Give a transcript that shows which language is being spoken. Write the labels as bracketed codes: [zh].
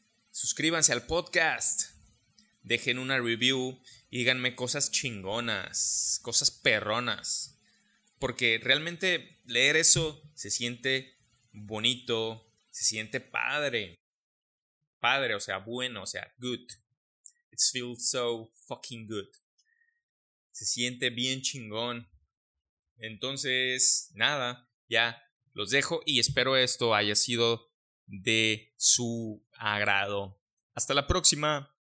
[es] Suscríbanse al podcast, dejen una review y díganme cosas chingonas, cosas perronas, porque realmente leer eso se siente bonito, se siente padre. Padre, o sea, bueno, o sea, good. [en] It feels so fucking good. [es] Se siente bien chingón. Entonces, nada, ya los dejo y espero esto haya sido de su agrado. Hasta la próxima.